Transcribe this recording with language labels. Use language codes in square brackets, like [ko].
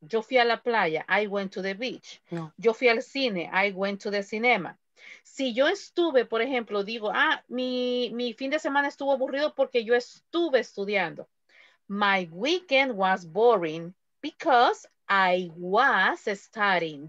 [es] Yo fui a la playa, [en] I went to the beach. [es] No. Yo fui al cine, [en] I went to the cinema. [es] Si yo estuve, por ejemplo, digo, mi fin de semana estuvo aburrido porque yo estuve estudiando. [en] My weekend was boring because I was studying.